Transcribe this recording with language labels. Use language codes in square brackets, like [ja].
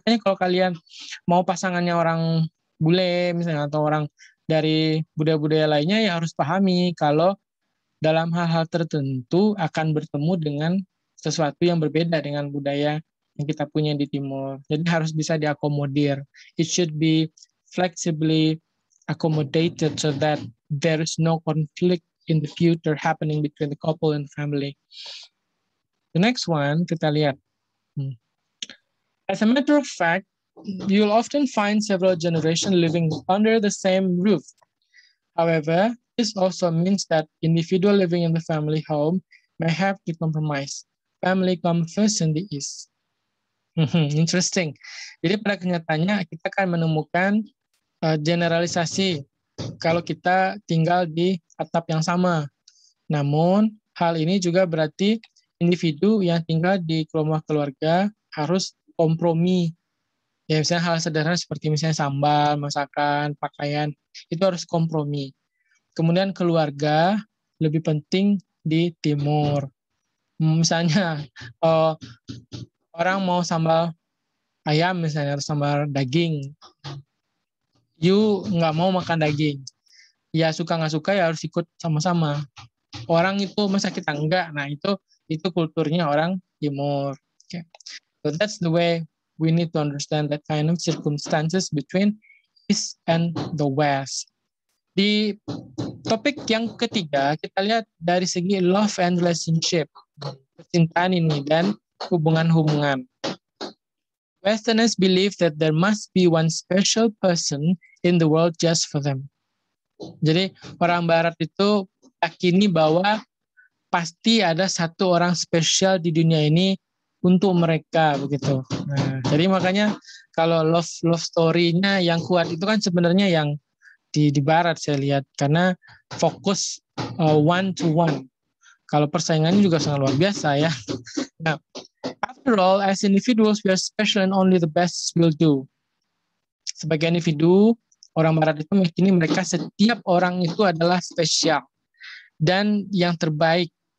[id] Makanya kalau kalian mau pasangannya orang bule misalnya atau orang dari budaya-budaya lainnya, ya harus pahami kalau dalam hal-hal tertentu akan bertemu dengan sesuatu yang berbeda dengan budaya yang kita punya di Timur. Jadi harus bisa diakomodir. [en] It should be flexibly accommodated so that there is no conflict in the future happening between the couple and family. The next one [id] kita lihat. [en] As a matter of fact, you'll often find several generations living under the same roof. However, this also means that individual living in the family home may have to compromise. Family come first in the East. Interesting. [id] Jadi pada kenyataannya kita akan menemukan generalisasi kalau kita tinggal di atap yang sama. Namun hal ini juga berarti individu yang tinggal di rumah keluarga harus kompromi. Ya misalnya hal sederhana seperti misalnya sambal, masakan, pakaian, itu harus kompromi. Kemudian keluarga lebih penting di Timur. Misalnya orang mau sambal ayam misalnya atau sambal daging, you nggak mau makan daging, ya suka nggak suka ya harus ikut sama-sama. Orang itu masa kita enggak, nah itu kulturnya orang Timur. [en] Okay. So that's the way we need to understand that kind of circumstances between East and the West. [id] Di topik yang ketiga, kita lihat dari segi [en] love and relationship, [id] percintaan ini, dan hubungan-hubungan. [en] Westerners believe that there must be one special person in the world just for them. [id] Jadi, orang Barat itu yakini bahwa pasti ada satu orang spesial di dunia ini untuk mereka, begitu. Nah, jadi makanya kalau love story-nya yang kuat itu kan sebenarnya yang di Barat saya lihat, karena fokus [en] one to one. [id] Kalau persaingannya juga sangat luar biasa ya. [en] Nah, after all, as individuals we are special and only the best will do. [id] Sebagai individu, orang Barat itu meyakini mereka setiap orang itu adalah spesial dan yang terbaik.